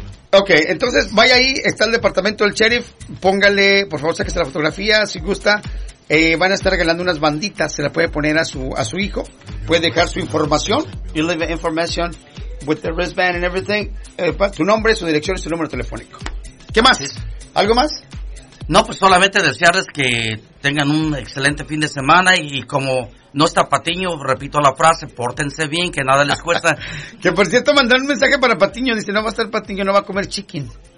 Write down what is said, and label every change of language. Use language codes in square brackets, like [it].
[es] Ok, entonces vaya ahí, está el departamento del sheriff. Póngale, por favor, sáquese la fotografía si gusta. Van a estar regalando unas banditas, se la puede poner a su hijo, puede dejar su información. [en] You leave the information with the wristband and everything. [es] Tu nombre, su dirección y su número telefónico. ¿Qué más? ¿Algo más? No, pues solamente desearles que tengan un excelente fin de semana y como no está Patiño, repito la frase, pórtense bien, que nada les cuesta. Que por cierto, mandaron un mensaje para Patiño, dice, no va a estar Patiño, no va a comer chicken.